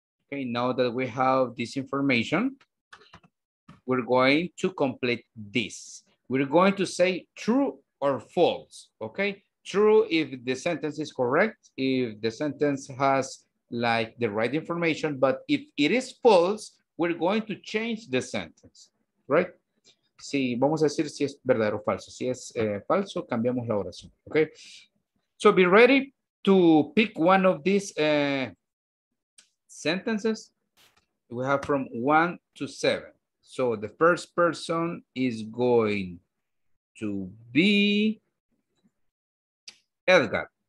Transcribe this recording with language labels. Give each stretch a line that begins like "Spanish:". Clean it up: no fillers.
English: Okay, now that we have this information, we're going to complete this. We're going to say true or false, okay? True if the sentence is correct, if the sentence has like the right information, but if it is false, we're going to change the sentence, right?
Spanish: Si vamos a decir si es verdadero o falso. Si es falso, cambiamos la oración, okay?
English: So be ready to pick one of these sentences. We have from 1 to 7. So the first person is going to be Edgar.